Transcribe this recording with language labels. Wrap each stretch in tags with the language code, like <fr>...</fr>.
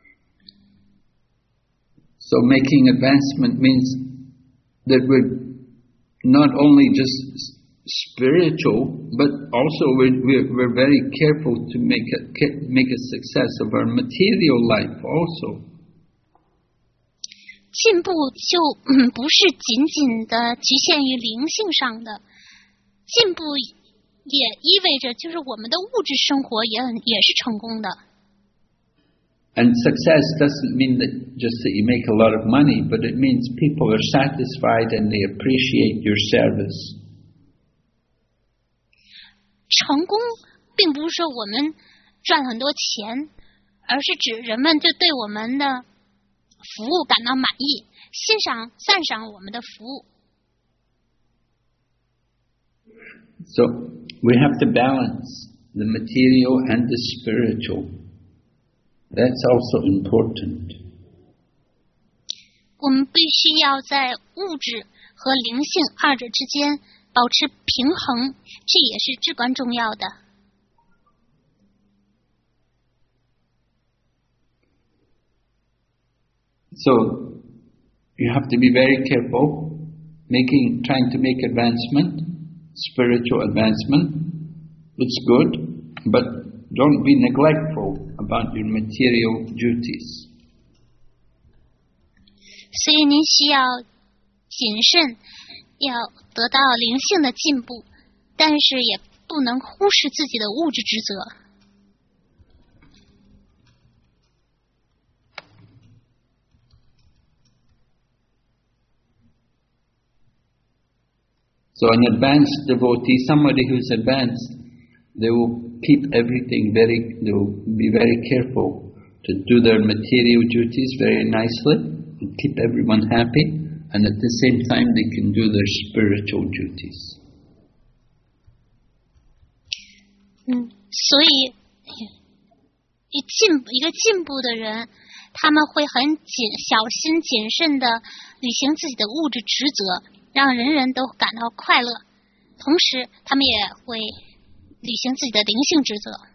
<zh>你有自己的家，有自己的工作，所以要很好的小心谨慎的从事这些工作，让好让别人呢就会欣赏我们的服务。</zh> <en>So making advancement means that we're not only just spiritual, but also we're very careful to make a success of our material life also.</en> <zh>进步就不是仅仅的局限于灵性上的，进步也意味着就是我们的物质生活也是成功的。</zh> <en>And success doesn't mean that just that you make a lot of money, but it means people are satisfied and they appreciate your service.</en> <zh>成功并不是说我们赚很多钱，而是指人们就对我们的服务感到满意，欣赏、赞赏我们的服务。</zh> <en>So we have to balance the material and the spiritual. That's also important.</en> <zh>我们必须要在物质和灵性二者之间保持平衡，这也是至关重要的。</zh> <en>So, you have to be very careful, trying to make advancement, spiritual advancement. It's good, but don't be neglectful about your material duties.</en> <zh>所以您需要谨慎，要得到灵性的进步，但是也不能忽视自己的物质职责。</zh> <en>So an advanced devotee, somebody who's advanced, they will keep everything very, they will be very careful to do their material duties very nicely, and keep everyone happy, and at the same time they can do their spiritual duties.</en> <zh>所以一个进步的人，他们会很小心谨慎地履行自己的物质职责。让人人都感到快乐，同时他们也会履行自己的灵性职责。</zh>